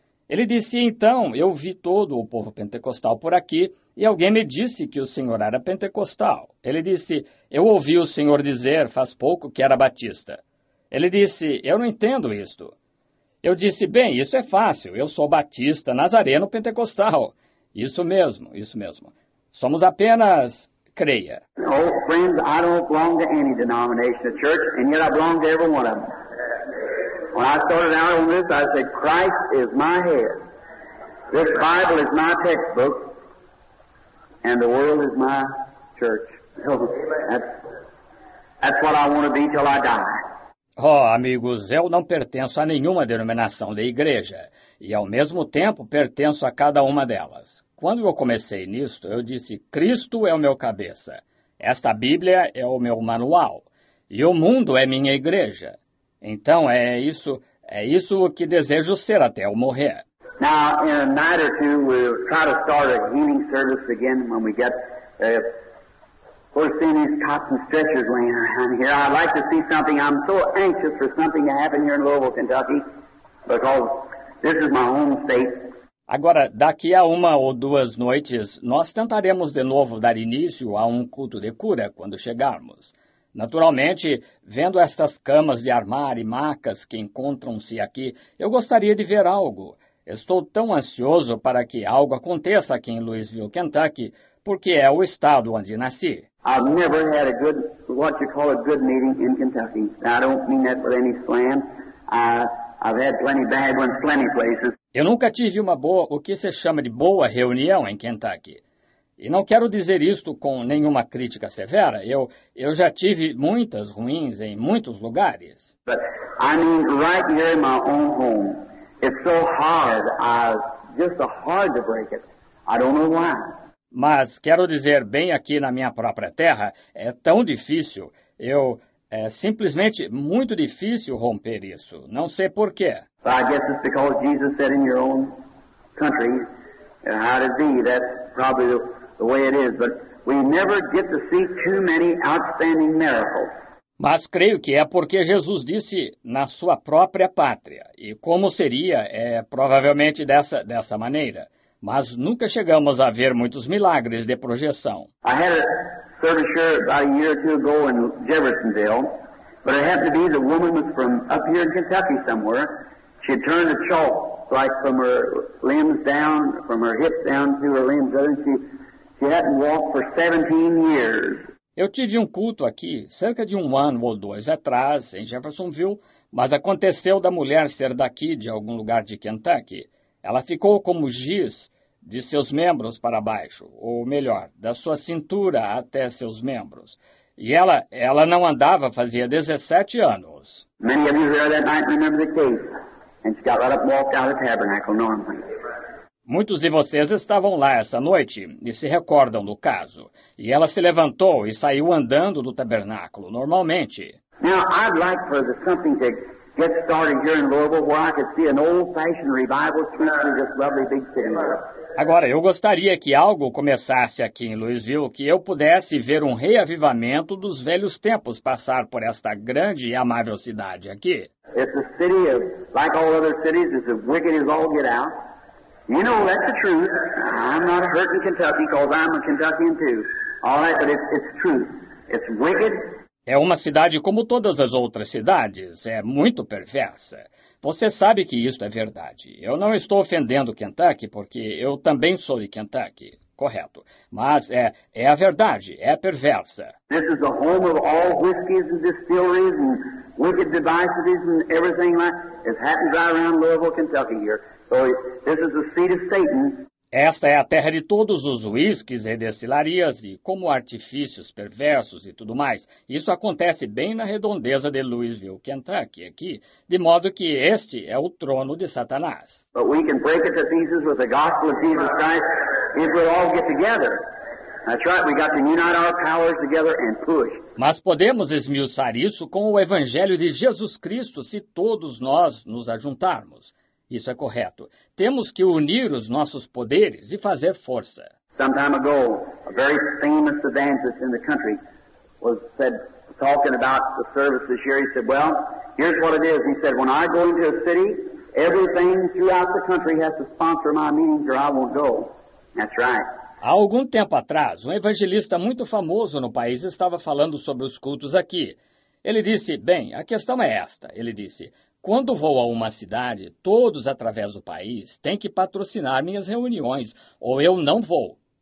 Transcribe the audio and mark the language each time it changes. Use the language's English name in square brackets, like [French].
[Portuguese] Ele disse, então, eu vi todo o povo pentecostal por aqui e alguém me disse que o Senhor era pentecostal. Ele disse, eu ouvi o Senhor dizer faz pouco que era batista. Ele disse, eu não entendo isto. Eu disse, bem, isso é fácil, eu sou batista, nazareno, pentecostal. Isso mesmo, isso mesmo. Somos apenas... creia. [English] Oh, friends, I don't belong to any denomination of church, and yet I belong to every one of them. When I started out on this, I said, Christ is my head. This Bible is my textbook, and the world is my church. So that's what I want to be till I die. [Portuguese] Oh, amigos, eu não pertenço a nenhuma denominação de igreja, e ao mesmo tempo pertenço a cada uma delas. Quando eu comecei nisto, eu disse, Cristo é o meu cabeça, esta Bíblia é o meu manual, e o mundo é minha igreja. Então, é isso o que desejo ser até eu morrer. [English] Now, in a night or two, we'll try to start a healing service again when we get we're seeing these cotton stretchers laying around here. I'd like to see something. I'm so anxious for something to happen here in Louisville, Kentucky, because this is my home state. [Portuguese] Agora, daqui a uma ou duas noites, nós tentaremos de novo dar início a um culto de cura quando chegarmos. Naturalmente, vendo estas camas de armário e macas que encontram-se aqui, eu gostaria de ver algo. Estou tão ansioso para que algo aconteça aqui em Louisville, Kentucky, porque é o estado onde nasci. [English] I've never had a good, what you call a good meeting in Kentucky. I don't mean that with any slam. I've had plenty bad ones, plenty places. [Portuguese] Eu nunca tive uma boa, o que se chama de boa reunião em Kentucky. E não quero dizer isto com nenhuma crítica severa. Eu já tive muitas ruins em muitos lugares. [English] But I mean, right here in my own home, it's so hard. Just so hard to break it. I don't know why. [Portuguese] Mas quero dizer, bem aqui na minha própria terra, é tão difícil. É simplesmente muito difícil romper isso. Não sei por quê. [English] I guess it's because Jesus said in your own country, how to be, that's probably the way it is. But we never get to see too many outstanding miracles. [Portuguese] Mas creio que é porque Jesus disse na sua própria pátria. E como seria, é provavelmente dessa maneira. Mas nunca chegamos a ver muitos milagres de projeção. [English] I had a service here about a year or two ago in Jeffersonville, but it happened to be the woman was from up here in Kentucky somewhere. She had turned a chalk like from her limbs down, from her hips down to her limbs, and she hadn't walked for 17 years. [Portuguese] Eu tive um culto aqui, cerca de um ano ou dois atrás, em Jeffersonville, mas aconteceu da mulher ser daqui, de algum lugar de Kentucky. Ela ficou como giz de seus membros para baixo, ou melhor, da sua cintura até seus membros. E ela não andava fazia 17 anos. [English] Many of you there that night remember the case, and she got right up and walked out of the tabernacle normally. [Portuguese] Muitos de vocês estavam lá essa noite e se recordam do caso. E ela se levantou e saiu andando do tabernáculo, normalmente. [English] Now, I'd like for something to get started here in Louisville where I could see an old-fashioned revival church in this lovely big city. [Portuguese] Agora, eu gostaria que algo começasse aqui em Louisville, que eu pudesse ver um reavivamento dos velhos tempos passar por esta grande e amável cidade aqui. [English] It's a city of, like all other cities, it's as wicked as all get out. You know, that's the truth. I'm not hurting Kentucky because I'm a Kentuckian too. All right, but it's true. It's wicked. [Portuguese] É uma cidade como todas as outras cidades. É muito perversa. Você sabe que isto é verdade. Eu não estou ofendendo Kentucky porque eu também sou de Kentucky. Correto. Mas é a verdade. É perversa. [English] This is the home of all whiskeys and distilleries and wicked devices and everything like that. It happens right around Louisville, Kentucky here. So, this is the seat of Satan. [Portuguese] Esta é a terra de todos os uísques e destilarias e como artifícios perversos e tudo mais. Isso acontece bem na redondeza de Louisville, Kentucky, aqui, de modo que este é o trono de Satanás. [English] But we can break it to pieces with the gospel of Jesus Christ if we all get together. That's right, we got to unite our powers together and push. [Portuguese] Mas podemos esmiuçar isso com o evangelho de Jesus Cristo se todos nós nos ajuntarmos. Isso é correto. Temos que unir os nossos poderes e fazer força. [English] Some time ago, a very famous evangelist in the country was said talking about the service this year. He said, well, here's what it is. He said, when I go into a city, everything throughout the country has to sponsor my meetings or I won't go. That's right. [Portuguese] Há algum tempo atrás, um evangelista muito famoso no país estava falando sobre os cultos aqui. Ele disse, bem, a questão é esta. Ele disse, quando vou a uma cidade, todos através do país têm que patrocinar minhas reuniões, ou eu não vou.